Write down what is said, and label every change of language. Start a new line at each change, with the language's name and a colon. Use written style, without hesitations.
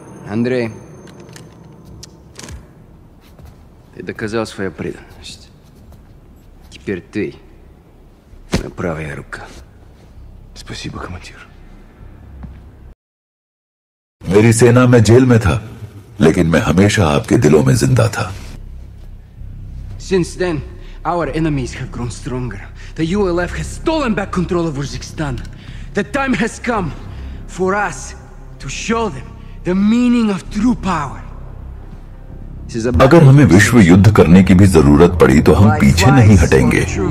Russian: Андрей, ты доказал свою преданность. Теперь ты моя правая рука. Спасибо, командир.
Hindi: मेरी सेना में जेल में था, लेकिन मैं हमेशा आपके दिलों में जिंदा था.
English: Since then, our enemies have grown stronger. The ULF has stolen back control of Uzbekistan. The time has come for us to show them the meaning of true power.
Hindi: अगर हमें विश्व युद्ध करने की भी जरूरत पड़ी तो हम पीछे नहीं हटेंगे।